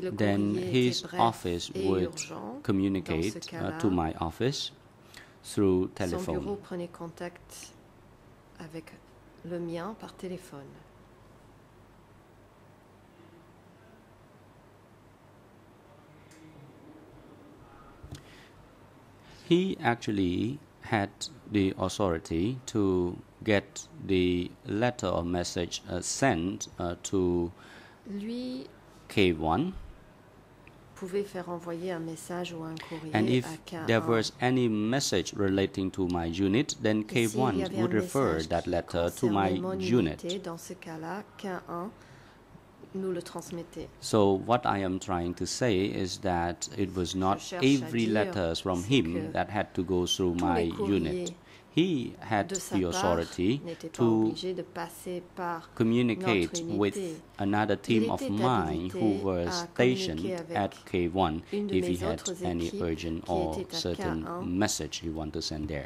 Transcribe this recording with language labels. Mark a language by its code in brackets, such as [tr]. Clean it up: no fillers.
[en] then his office would communicate to my office through telephone. [fr] Son bureau prenait contact avec le mien par téléphone. [en] He actually had the authority to get the letter or message sent to [fr] lui [en] K1. [fr] Pouvait faire envoyer un message ou un courrier à K1. [en] And if there was any message relating to my unit, then K1 would refer that letter to my unit. [fr] Dans ce cas-là, K1 nous le transmettait. [en] So what I am trying to say is that it was not every letter from him that had to go through my unit. He had the authority to communicate with another team of mine who were stationed at K1 if he had any urgent or certain message he wanted to send there.